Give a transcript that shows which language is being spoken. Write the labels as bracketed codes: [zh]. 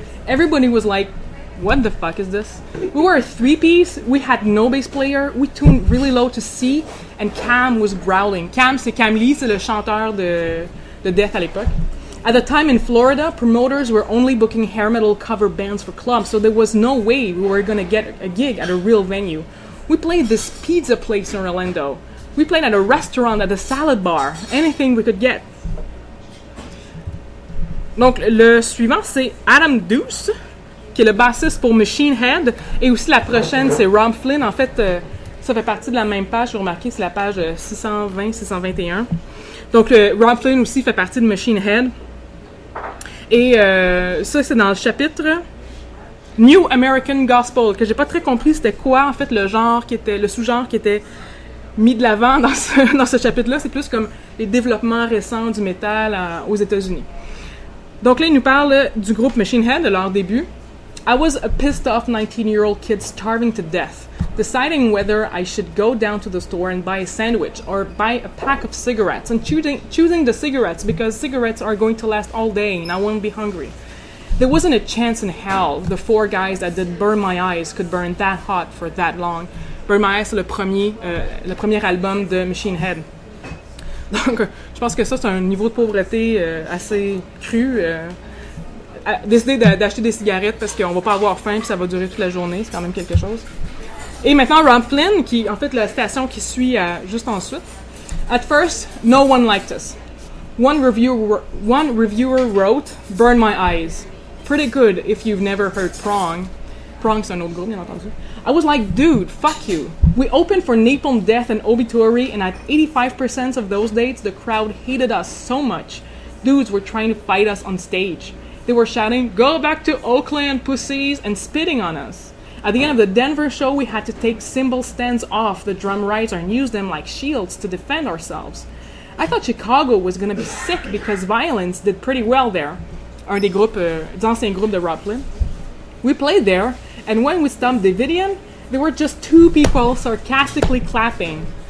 [en] Everybody was like, what the fuck is this? We were a three-piece, we had no bass player, we tuned really low to C, and Cam was growling. [fr] Cam, c'est Cam Lee, c'est le chanteur de Death à l'époque. [en] At the time in Florida, promoters were only booking hair metal cover bands for clubs, so there was no way we were going to get a gig at a real venue. We played this pizza place in Orlando. We played at a restaurant, at a salad bar, anything we could get. [fr] Donc, le suivant, c'est Adam Deuce, qui est le bassiste pour Machine Head. Et aussi, la prochaine, c'est Rob Flynn. En fait, ça fait partie de la même page, vous remarquez, c'est la page 620-621. Donc, Rob Flynn aussi fait partie de Machine Head. Et ça, c'est dans le chapitre New American Gospel, que j'ai pas très compris c'était quoi, en fait, le sous-genre qui était mis de l'avant dans ce chapitre-là. C'est plus comme les développements récents du métal aux États-Unis. Donc là, il nous parle du groupe Machine Head, de leur début. [en] I was a pissed off 19-year-old kid starving to death, deciding whether I should go down to the store and buy a sandwich or buy a pack of cigarettes, and choosing the cigarettes because cigarettes are going to last all day and I won't be hungry. There wasn't a chance in hell the four guys that did Burn My Eyes could burn that hot for that long. [fr] Burn My Eyes, c'est le premier album de Machine Head. Donc, je pense que ça, c'est un niveau de pauvreté assez cru. Décider d'acheter des cigarettes parce qu'on va pas avoir faim et ça va durer toute la journée, c'est quand même quelque chose. Et maintenant, Rob Flynn, qui en fait la citation qui suit juste ensuite. [en] At first, no one liked us. One reviewer wrote, Burn My Eyes. Pretty good if you've never heard Prong. Prong, [fr] c'est un autre groupe, bien entendu. [en] I was like, dude, fuck you. We opened for Napalm Death and Obituary, and at 85% of those dates, the crowd hated us so much. Dudes were trying to fight us on stage. They were shouting, go back to Oakland, pussies, and spitting on us. At the end of the Denver show, we had to take cymbal stands off the drum riser and use them like shields to defend ourselves. I thought Chicago was going to be sick because Violence did pretty well there. [fr] Un des groupes, d'anciens groupes de Rob Flynn. [en] We played there, and when we stumped Davidian, there were just two people sarcastically clapping.